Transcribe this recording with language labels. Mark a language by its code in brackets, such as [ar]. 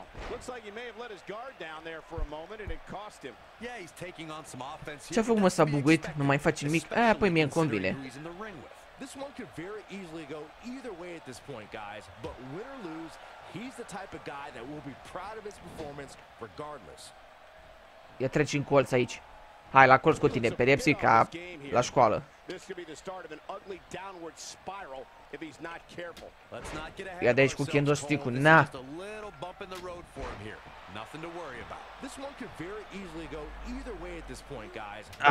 [en] Looks like he may have let his guard down there for a moment and it cost him. Yeah, he's taking on some offense here. [ro] Ce-a făcut mă, s-a buguit? Nu mai face nimic? Aia, păi mie-mi convine. [en] This one could very easily go either way at this point, guys. But win or lose, he's the type of guy that will be proud of his performance regardless. [ro] Ia treci în colț aici. Hai, la colț cu tine, pedepsi ca la școală. [en] This could be the start of an ugly downward spiral if he's not careful. Let's not get ahead. [ro] Ia de aici cu kendo stick-ul. Na. [en] Just a little bump in the road for him here. Nothing to worry about. This one could very easily go either way at this point, guys.